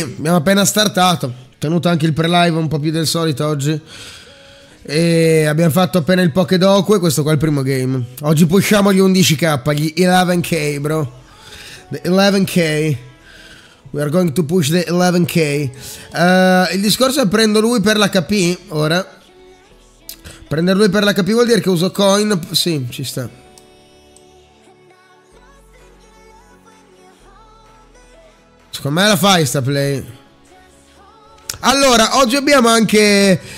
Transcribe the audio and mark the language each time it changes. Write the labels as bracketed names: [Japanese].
[Italian] Abbiamo appena startato. Tenuto anche il pre-live un po' più del solito oggi. E abbiamo fatto appena il Pokédoku e questo qua è il primo game. Oggi pushiamo gli 11k, gli 11k, bro. [English] The 11k. We are going to push the 11k. [Italian] Il discorso è prendo lui per l'HP, ora. Prendere lui per l'HP vuol dire che uso coin. Sì, ci sta. Secondo me la fai sta play. Allora, oggi abbiamo anche...